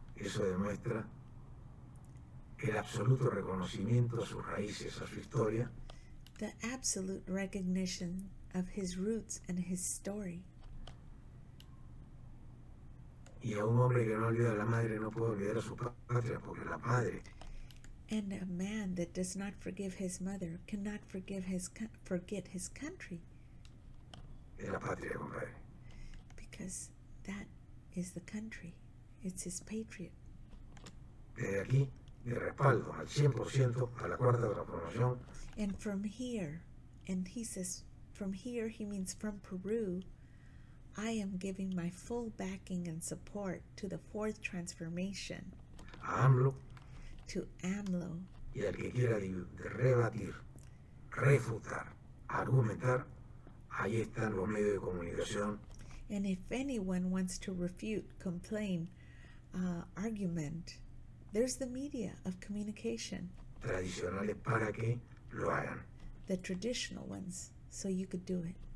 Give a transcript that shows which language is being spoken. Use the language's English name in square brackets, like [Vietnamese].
[Spanish] Eso demuestra el absoluto reconocimiento a sus raíces, a su historia. [English] The absolute recognition of his roots and his story. [Spanish] Y a un hombre que no olvida a la madre no puede olvidar a su patria, porque la madre [English] And a man that does not forgive his mother cannot forgive his forget his country. [Spanish] es la patria, compadre. [English] Because that is the country. It's his patriot. [Spanish] Desde aquí, de respaldo al 100% a la cuarta transformación. [English] And from here, and he says, from here, he means from Peru, I am giving my full backing and support to the fourth transformation, [Spanish] A AMLO [English] to AMLO. [Spanish] y al que quiera rebatir, refutar, argumentar, ahí están los medios de comunicación. [English] And if anyone wants to refute, complain, argument, there's the media of communication, [Spanish] Tradicionales para que lo hagan. [English] the traditional ones, so you could do it.